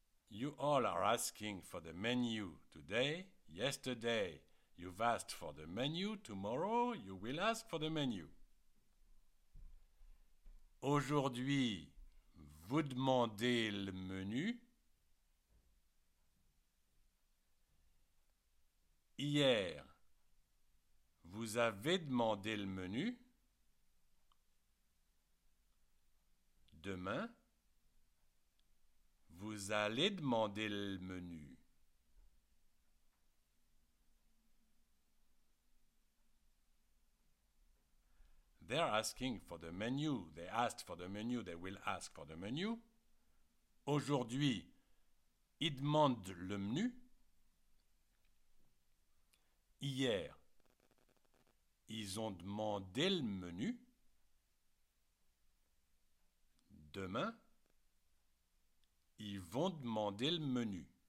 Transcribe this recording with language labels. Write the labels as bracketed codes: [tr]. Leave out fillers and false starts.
[en] You all are asking for the menu today. Yesterday, you've asked for the menu. Tomorrow, you will ask for the menu. [fr] Aujourd'hui, vous demandez le menu. Hier, vous avez demandé le menu. Demain, vous allez demander le menu. [en] They're asking for the menu. They asked for the menu. They will ask for the menu. [fr] Aujourd'hui, ils demandent le menu. Hier, ils ont demandé le menu. Demain, ils vont demander le menu.